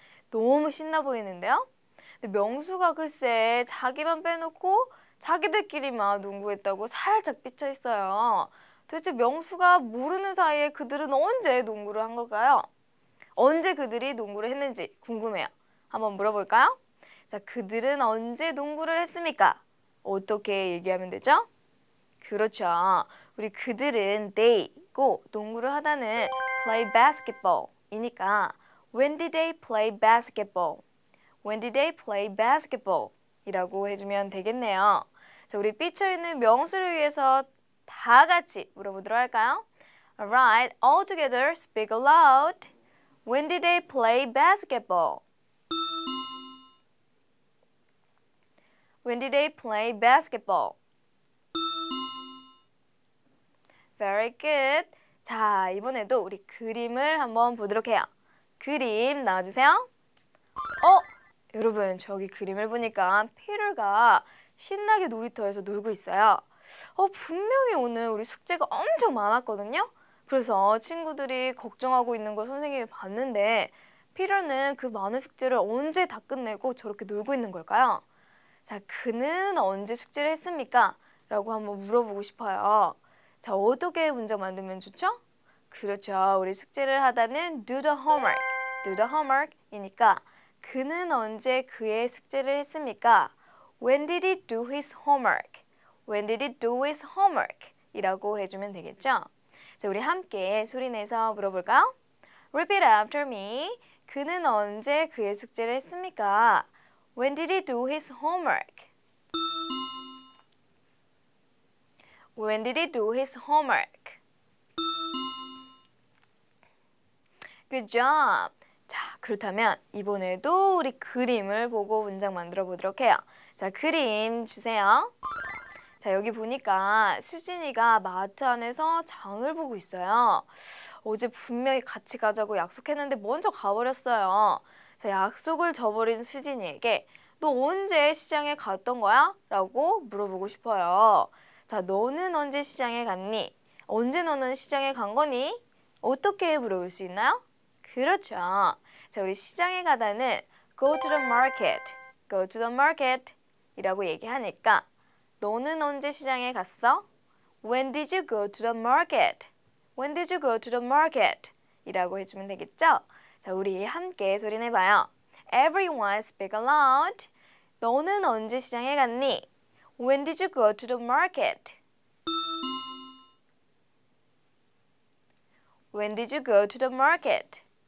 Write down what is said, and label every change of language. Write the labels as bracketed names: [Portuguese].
[Korean] 너무 신나 보이는데요? 근데 명수가 글쎄 자기만 빼놓고 자기들끼리만 농구했다고 살짝 삐쳐있어요. 도대체 명수가 모르는 사이에 그들은 언제 농구를 한 걸까요? 언제 그들이 농구를 했는지 궁금해요. 한번 물어볼까요? 자, 그들은 언제 농구를 했습니까? 어떻게 얘기하면 되죠? 그렇죠. 우리 그들은 they고 농구를 하다는 play basketball이니까 [English] When did they play basketball? When did they play basketball? [Korean] 이라고 해주면 되겠네요. 자, 우리 삐쳐있는 명수를 위해서 다 같이 물어보도록 할까요? [English] Alright, all together, speak aloud. When did they play basketball? When did they play basketball? Very good. [Korean] 자, 이번에도 우리 그림을 한번 보도록 해요. 그림 나와주세요. 어? 여러분 저기 그림을 보니까 피터가 신나게 놀이터에서 놀고 있어요. 어 분명히 오늘 우리 숙제가 엄청 많았거든요. 그래서 친구들이 걱정하고 있는 거 선생님이 봤는데 피터는 그 많은 숙제를 언제 다 끝내고 저렇게 놀고 있는 걸까요? 자 그는 언제 숙제를 했습니까? 라고 한번 물어보고 싶어요. 자 어떻게 문장 만들면 좋죠? 그렇죠. 우리 숙제를 하다는 do the homework, do the homework이니까 그는 언제 그의 숙제를 했습니까? [English] When did he do his homework? When did he do his homework? [Korean] 이라고 해주면 되겠죠. 자, 우리 함께 소리내서 물어볼까요? [English] Repeat after me. [Korean] 그는 언제 그의 숙제를 했습니까? [English] When did he do his homework? When did he do his homework? Good job. [Korean] 자, 그렇다면 이번에도 우리 그림을 보고 문장 만들어 보도록 해요. 자, 그림 주세요. 자, 여기 보니까 수진이가 마트 안에서 장을 보고 있어요. 어제 분명히 같이 가자고 약속했는데 먼저 가버렸어요. 자, 약속을 저버린 수진이에게 너 언제 시장에 갔던 거야? 라고 물어보고 싶어요. 자, 너는 언제 시장에 갔니? 언제 너는 시장에 간 거니? 어떻게 물어볼 수 있나요? 그렇죠. 자, 우리 시장에 가다는 go to the market, go to the market 이라고 얘기하니까 너는 언제 시장에 갔어? [English] When did you go to the market? When did you go to the market? [Korean] 이라고 해주면 되겠죠? 자, 우리 함께 소리내봐요. [English] Everyone speak aloud. [Korean] 너는 언제 시장에 갔니? [English] When did you go to the market? When did you go to the market?